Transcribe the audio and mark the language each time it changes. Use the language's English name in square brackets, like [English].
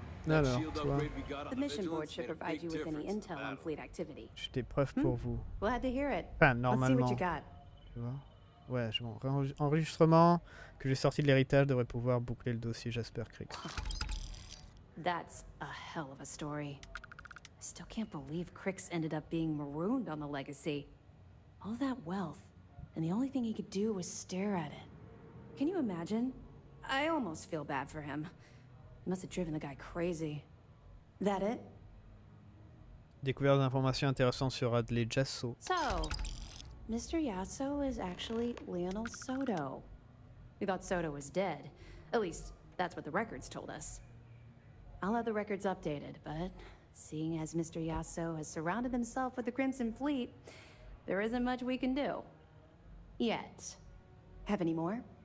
[French] Alors, toi, j'ai des preuves pour vous. Enfin, normalement. Ouais, bon. Enregistrement que j'ai sorti de l'héritage devrait pouvoir boucler le dossier Jasper Crick. [English] That's a hell of a story. I still can't believe Crix ended up being marooned on the Legacy. All that wealth, and the only thing he could do was stare at it. Can you imagine? I almost feel bad for him. It must have driven the guy crazy. That it? [French] Découverte d'informations intéressantes sur Adley Jasso. [English] So, Mr. Yasso is actually Lionel Soto. We thought Soto was dead. At least, that's what the records told us. I'll have the records updated, but seeing as Mr. Yasso has surrounded himself with the Crimson Fleet, there isn't much we can do. Yet. Have any more?